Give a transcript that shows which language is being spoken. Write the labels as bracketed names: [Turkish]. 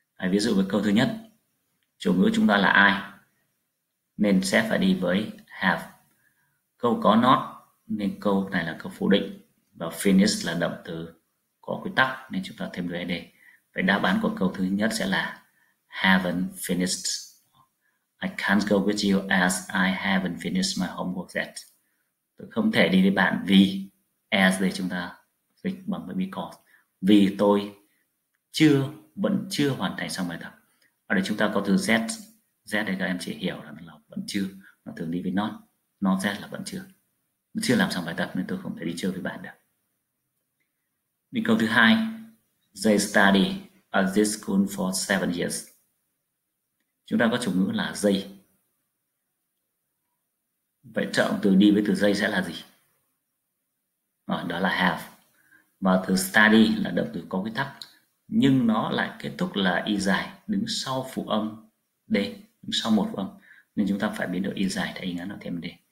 [Vietnamese] Ví dụ với câu thứ nhất, chủ ngữ chúng ta là ai nên sẽ phải đi với have. Câu có not nên câu này là câu phủ định và finish là động từ có quy tắc nên chúng ta thêm ed. Vậy đáp án của câu thứ nhất sẽ là haven't finished. [English] I can't go with you as I haven't finished my homework yet. [Vietnamese] Tôi không thể đi với bạn vì, as đây chúng ta dịch bằng với because, vì tôi chưa, vẫn chưa hoàn thành xong bài tập. Ở đây chúng ta có từ z, z đây các em chỉ hiểu là vẫn chưa, nó thường đi với not, not z là vẫn chưa. Chưa làm xong bài tập nên tôi không thể đi chơi với bạn được. Đi câu thứ hai, [English] they study at this school for 7 years. [Vietnamese] Chúng ta có chủ ngữ là they. Vậy trợ động từ đi với từ they sẽ là gì? Đó là have. Và từ study là động từ có quy tắc nhưng nó lại kết thúc là y dài đứng sau phụ âm d, đứng sau một phụ âm nên chúng ta phải biến đổi y dài thành y ngắn nó thêm d.